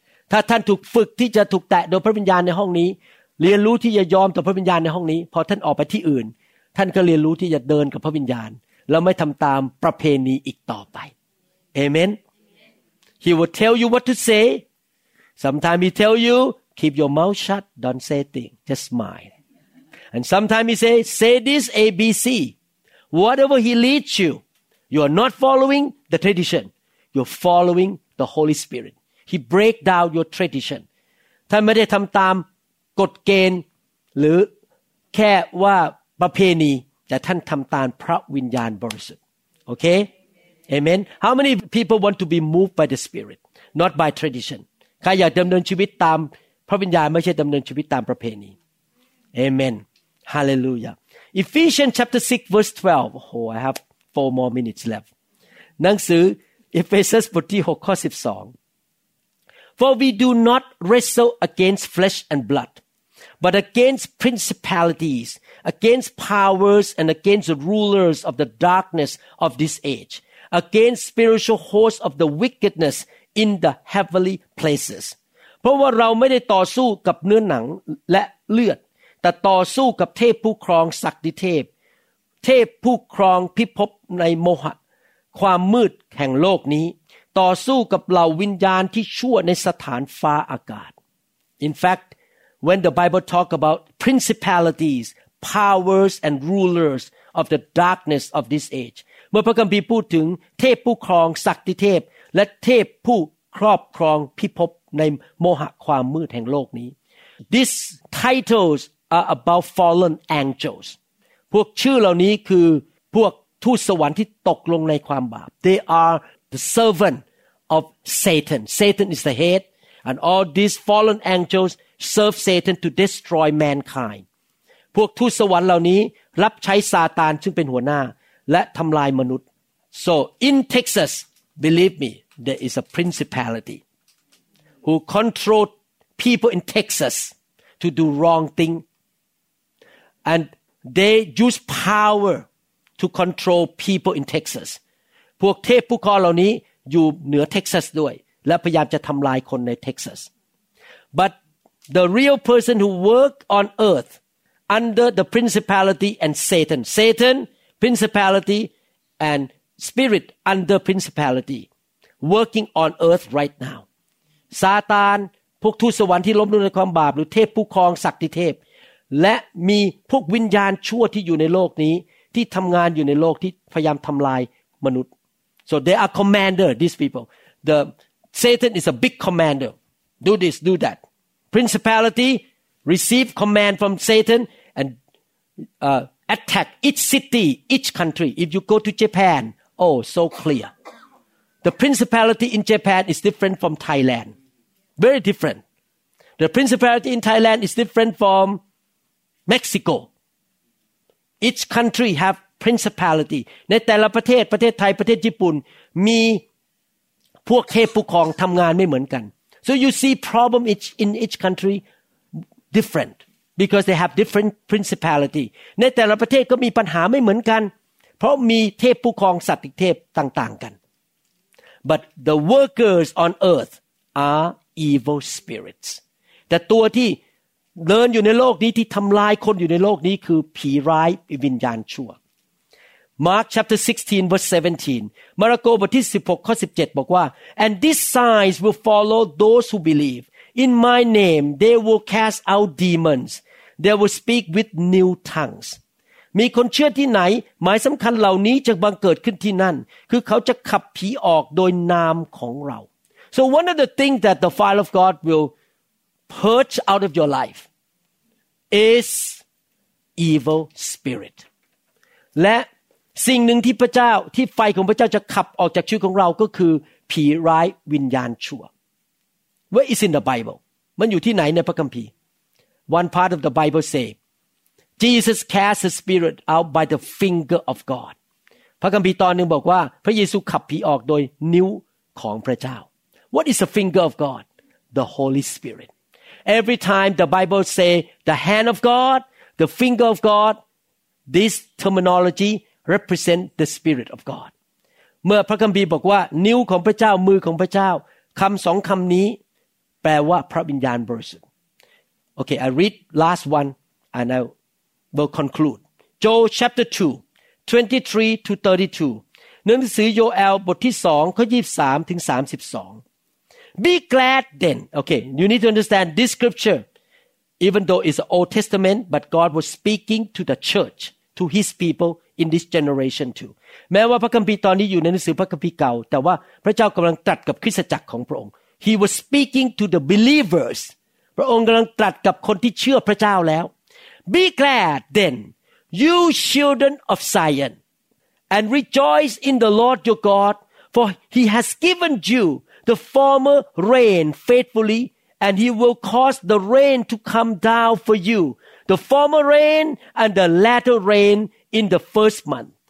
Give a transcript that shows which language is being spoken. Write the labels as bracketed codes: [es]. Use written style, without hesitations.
[th] ถ้าท่านถูกฝึกที่จะถูกแตะโดยพระวิญญาณในห้องนี้เรียนรู้ที่จะยอมต่อพระวิญญาณในห้องนี้พอท่านออกไปที่อื่นท่านก็เรียนรู้ที่จะเดินกับพระวิญญาณแล้วไม่ทำตามประเพณีอีกต่อไปเอเมน [en] He will tell you what to say sometimes he tell you keep your mouth shut don't say thing just smileAnd sometimes he say this ABC. Whatever he leads you, you are not following the tradition. You're following the Holy Spirit. He break down your tradition. [th] ท่านไม่ได้ทำตามกฎเกณฑ์หรือแค่ว่าประเพณีแต่ท่านทำตามพระวิญญาณบริสุทธิ์ Okay? [en] Amen. How many people want to be moved by the Spirit, not by tradition? [th] ใครอยากดำเนินชีวิตตามพระวิญญาณไม่ใช่ดำเนินชีวิตตามประเพณี Amen. [en] Hallelujah. Ephesians chapter 6 verse 12. Oh, I have 4 more minutes left. [th] หนังสือ Ephesians บทที่6ข้อ12. [en] For we do not wrestle against flesh and blood, but against principalities, against powers and against the rulers of the darkness of this age, against spiritual hosts of the wickedness in the heavenly places. [th] เพราะว่าเราไม่ได้ต่อสู้กับเนื้อหนังและเลือดแต่ต่อสู้กับเทพผู้ครองศักดิ์เทพเทพผู้ครองพิภพในโมหะความมืดแห่งโลกนี้ต่อสู้กับเหล่าวิญญาณที่ชั่วในสถานฟ้าอากาศ [en] In fact when the Bible talk about principalities, powers and rulers of the darkness of this age. [th] เมื่อพระคัมภีร์พูดถึงเทพผู้ครองศักดิ์เทพและเทพผู้ครอบครองพิภพในโมหะความมืดแห่งโลกนี้ [en] These titles are about fallen angels. [th] พวกชื่อเหล่านี้คือพวกทูตสวรรค์ที่ตกลงในความบาป [en] They are the servant of Satan. Satan is the head and all these fallen angels serve Satan to destroy mankind. [th] พวกทูตสวรรค์เหล่านี้รับใช้ซาตานซึ่งเป็นหัวหน้าและทำลายมนุษย์ [en] So in Texas, believe me, there is a principality who controls people in Texas to do wrong thing, and they use power to control people in Texas. [th] พวกเทพผู้ครองเหล่านี้อยู่เหนือเท็กซัสด้วยและพยายามจะทำลายคนในเท็กซัส [en] But the real person who work on earthunder the principality and Satan. Satan, principality, and spirit under principality, working on earth right now. [th] Satan, พวกทูตสวรรค์ที่ล้มลงในความบาปหรือเทพผู้ครองศักดิ์เทพและมีพวกวิญญาณชั่วที่อยู่ในโลกนี้ที่ทำงานอยู่ในโลกที่พยายามทำลายมนุษย์ [en] So they are commander, these people. The Satan is a big commander. Do this, do that. Principality,receive command from Satan and attack each city, each country. If you go to Japan, oh, so clear. The principality in Japan is different from Thailand. Very different. The principality in Thailand is different from Mexico. Each country have principality. [th] ในแต่ละประเทศ ประเทศไทย ประเทศญี่ปุ่น มีพวกเทพผู้ครองทำงานไม่เหมือนกัน [en] So you see problem in each countryDifferent because they have different principality. [th] ในแต่ละประเทศก็มีปัญหาไม่เหมือนกันเพราะมีเทพผู้ครองสัตว์อีกเทพต่างๆกัน [en] But the workers on earth are evil spirits. [th] แต่ตัวที่เดินอยู่ในโลกนี้ที่ทำลายคนอยู่ในโลกนี้คือผีร้ายวิญญาณชั่ว [en] Mark chapter 16 verse 17. [th] มาระโกบทที่16ข้อ17บอกว่า [en] And these signs will follow those who believe. In my name, they will cast out demons. They will speak with new tongues. [th] มีคนเชื่อที่ไหนหมายสำคัญเหล่านี้จะบังเกิดขึ้นที่นั่นคือเขาจะขับผีออกโดยนามของเรา [en] So one of the things that the fire of God will purge out of your life is evil spirit. [th] และสิ่งหนึ่งที่พระเจ้าที่ไฟของพระเจ้าจะขับออกจากชีวิตของเราก็คือผีร้ายวิญญาณชั่ว [en] Where is in the Bible? [th] มันอยู่ที่ไหนในพระคัมภีร์ [en] One part of the Bible say, Jesus cast the spirit out by the finger of God. [th] พระคัมภีร์ตอนหนึ่งบอกว่าพระเยซูขับผีออกโดยนิ้วของพระเจ้า [en] What is the finger of God? The Holy Spirit. Every time the Bible say, the hand of God, the finger of God, this terminology represent the Spirit of God. [th] เมื่อพระคัมภีร์บอกว่านิ้วของพระเจ้ามือของพระเจ้าคำสองคำนี้แปลว่าพระวิญญาณบริสุทธิ์ [en] Okay, I read last one and I will conclude. Joel chapter 2, 23 to 32. [th] หนังสือโยเอลบทที่2ข้อ23ถึง32. [en] Be glad then. Okay, you need to understand this scripture. Even though it's Old Testament, but God was speaking to the church, to his people in this generation too. [th] แม้ว่าพระคัมภีร์ตอนนี้อยู่ในหนังสือพระคัมภีร์เก่าแต่ว่าพระเจ้ากำลังตรัสกับคริสตจักรของพระองค์ [en] He was speaking to the believers. [th] พระองค์กำลังตรัสกับคนที่เชื่อพระเจ้าแล้ว [en] Be glad then, you children of Zion, and rejoice in the Lord your God, for he has given you the former rain faithfully, and he will cause the rain to come down for you, the former rain and the latter rain in the first month.